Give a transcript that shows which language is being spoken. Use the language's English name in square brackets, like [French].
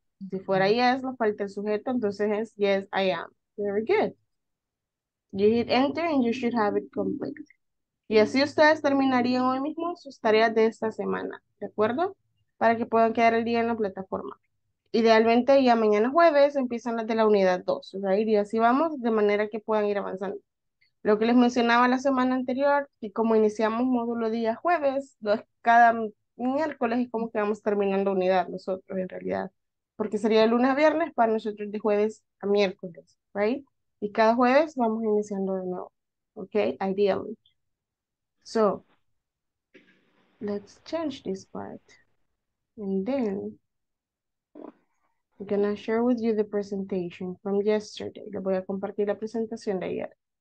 [Spanish] Si fuera yes, lo falta el sujeto, entonces es [English] yes, I am. Very good. You hit enter and you should have it complete. [Spanish] Y así ustedes terminarían hoy mismo sus tareas de esta semana, ¿de acuerdo? Para que puedan quedar el día en la plataforma. Idealmente ya mañana jueves empiezan las de la unidad 2, ¿verdad? Y así vamos, de manera que puedan ir avanzando. Lo que les mencionaba la semana anterior, que como iniciamos módulo día jueves, cada miércoles es como que vamos terminando unidad nosotros en realidad. Porque sería de lunes a viernes para nosotros de jueves a miércoles, ¿right? Y cada jueves vamos iniciando de nuevo, ¿ok? [English] Ideally. So, let's change this part. And then, I'm gonna share with you the presentation from yesterday. [Spanish] Le voy a compartir la presentación de ayer.